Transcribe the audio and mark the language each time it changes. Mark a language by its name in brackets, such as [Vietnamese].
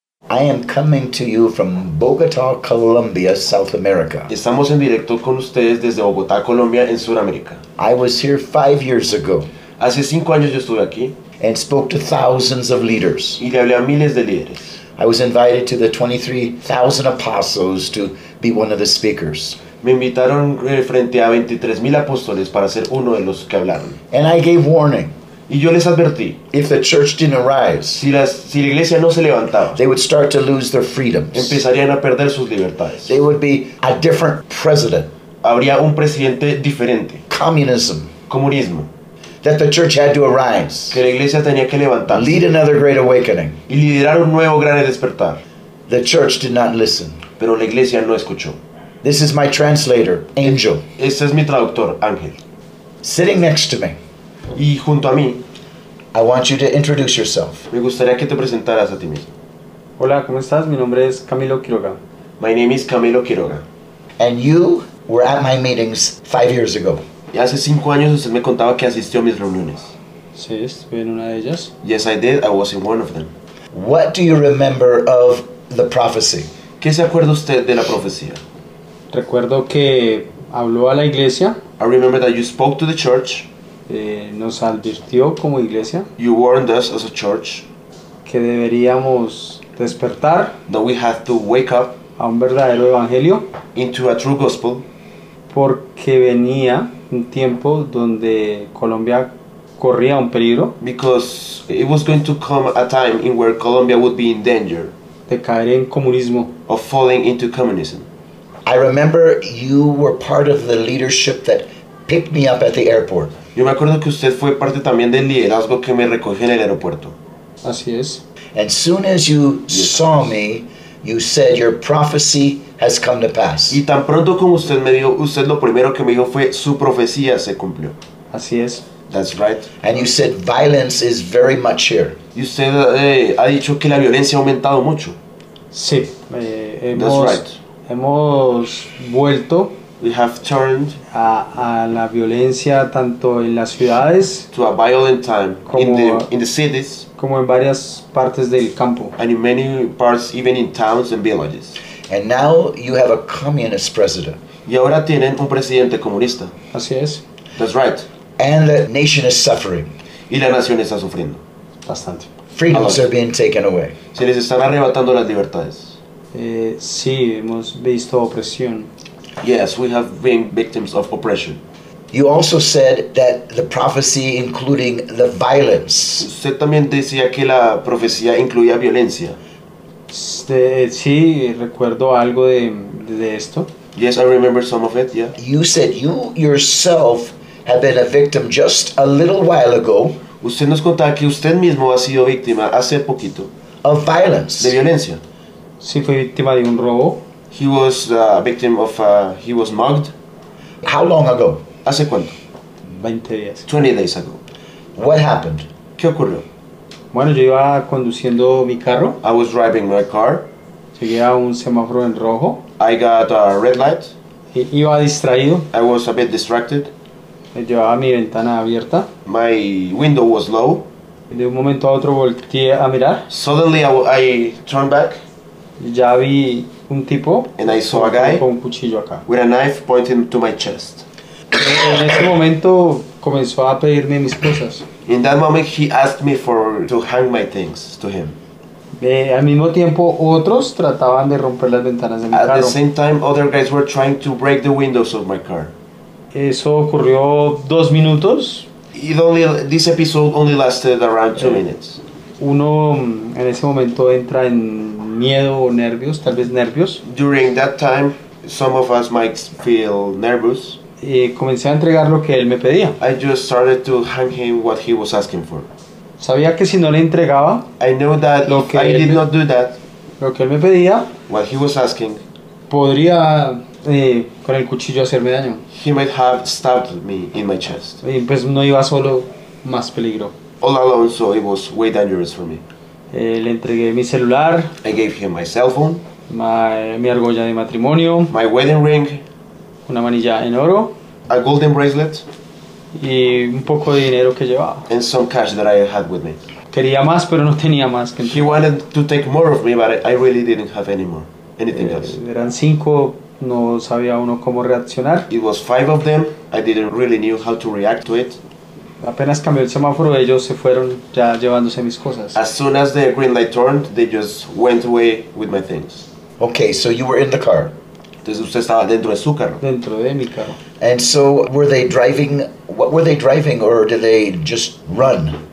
[English] I am coming to you from Bogotá, Colombia, South America. [Spanish] Estamos en directo con ustedes desde Bogotá, Colombia, en Sudamérica. [English] I was here 5 years ago. [Spanish] Hace 5 años yo estuve aquí. [English] And spoke to thousands of leaders. [Spanish] Y le hablé a miles de líderes. [English] I was invited to the 23,000 apostles to be one of the speakers. [Spanish] Me invitaron frente a 23,000 apóstoles para ser uno de los que hablaron. [English] And I gave warning. [Spanish] Y yo les advertí. [English] If the church didn't arise, [Spanish] si la iglesia no se levantaba, [English] they would start to lose their freedoms. [Spanish] Empezarían a perder sus libertades. [English] They would be a different president. [Spanish] Habría un presidente diferente. [English] Communism. [Spanish] Comunismo. [English] That the church had to arise. [Spanish] Que la iglesia tenía que levantarse. [English] Lead another great awakening. [Spanish] Y liderar un nuevo gran despertar. [English] The church did not listen. [Spanish] Pero la iglesia no escuchó. [English] This is my translator, Angel. [Spanish] Este es mi traductor, Ángel. [English] Sitting next to me. [Spanish] Y junto a mí. [English] I want you to introduce yourself. [Spanish] Me gustaría que te presentaras a ti mismo. Hola, ¿cómo estás? Mi nombre es Camilo Quiroga. [English] My name is Camilo Quiroga. And you were at my meetings 5 years ago. [Spanish] Y hace 5 años usted me contaba que asistió a mis reuniones. Sí, estuve en una de ellas. [English] Yes, I did. I was in one of them. What do you remember of the prophecy? [Spanish] ¿Qué se acuerda usted de la profecía? Recuerdo que habló a la iglesia. [English] I remember that you spoke to the church. [Spanish] Nos advirtió como iglesia. [English] You warned us as a church. [Spanish] Que deberíamos despertar. [English] That we have to wake up. [Spanish] A un verdadero evangelio. [English] Into a true gospel. [Spanish] Porque venía un tiempo donde Colombia corría un peligro. [English] Because it was going to come a time in where Colombia would be in danger. [Spanish] De caer en comunismo. [English] Of falling into communism. I remember you were part of the leadership that picked me up at the airport. [Spanish] Yo me acuerdo que usted fue parte también del liderazgo que me recogió en el aeropuerto. Así es. [English] And soon as you saw me, you said your prophecy has come to pass. [Spanish] Y tan pronto como usted me dijo, usted lo primero que me dijo fue su profecía se cumplió. Así es. [English] That's right. And you said violence is very much here. [Spanish] Y usted ha dicho que la violencia ha aumentado mucho. Sí. [English] That's right. [Spanish] Hemos vuelto. [English] We have turned [Spanish] a la violencia tanto en las ciudades [English] to a violent time in the cities [Spanish] como en varias partes del campo [English] and in many parts even in towns and villages. And now you have a communist president. [Spanish] Y ahora tienen un presidente comunista. Así es. [English] That's right. And the nation is suffering. [Spanish] Y la nación está sufriendo bastante. [English] Freedoms are being taken away. [Spanish] Se les están arrebatando las libertades. Sí, hemos visto opresión. [English] Yes, we have been victims of oppression. You also said that the prophecy including the violence. [Spanish] Usted también decía que la profecía incluía violencia. Sí, recuerdo algo de esto. [English] Yes, I remember some of it, yeah. You said you yourself had been a victim just a little while ago. [Spanish] Usted nos contaba que usted mismo ha sido víctima hace poquito. [English] Of violence. [Spanish] De violencia. Sí, fue víctima de un robo. [English] He was a victim of, he was mugged. How long ago? [Spanish] ¿Hace cuánto? 20 días. [English] 20 days ago. What happened? [Spanish] ¿Qué ocurrió? Bueno, yo iba conduciendo mi carro. [English] I was driving my car. [Spanish] Llegué a un semáforo en rojo. [English] I got a red light. [Spanish] Iba distraído. [English] I was a bit distracted. [Spanish] Llevaba mi ventana abierta. [English] My window was low. [Spanish] De un momento a otro volteé a mirar. [English] Suddenly I turned back. [Spanish] Ya vi un tipo con un cuchillo acá. [English] With a knife pointing to my chest. [Spanish] En ese momento comenzó a pedirme mis cosas. [English] In that moment he asked me to hang my things to him. [Spanish] Al mismo tiempo otros trataban de romper las ventanas de mi carro. [English] At the same time other guys were trying to break the windows of my car. [Spanish] Eso ocurrió 2 minutos. [English] This episode only lasted around 2 minutes. [Spanish] Uno en ese momento entra en miedo o nervios, tal vez nervios. [English] During that time, some of us might feel nervous. [Spanish] Y comencé a entregar lo que él me pedía. [English] I just started to hand him what he was asking for. [Spanish] Sabía que si no le entregaba, [English] I knew that [Spanish] lo que [English] if I did not do that, [Spanish] lo que él me pedía, [English] what he was asking, [Spanish] podría con el cuchillo hacerme daño. [English] He might have stabbed me in my chest. [Spanish] Y pues no iba solo, más peligro. [English] All alone, so it was way dangerous for me. [Spanish] Le entregué mi celular. [English] I gave him my cell phone. [Spanish] Mi argolla de matrimonio. [English] My wedding ring. [Spanish] Una manilla en oro. [English] A golden bracelet. [Spanish] Y un poco de dinero que llevaba. [English] And some cash that I had with me. [Spanish] Quería más, pero no tenía más. [English] He wanted to take more of me, but I really didn't have any more. Anything else. [Spanish] Eran 5, no sabía uno cómo reaccionar. [English] It was 5 of them. I didn't really knew how to react to it. [Spanish] Apenas cambió el semáforo, ellos se fueron ya llevándose mis cosas. [English] As soon as the green light turned, they just went away with my things. Okay, so you were in the car. [Spanish] Entonces usted estaba dentro de su carro. Dentro de mi carro. [English] And so were they driving? What were they driving, or did they just run?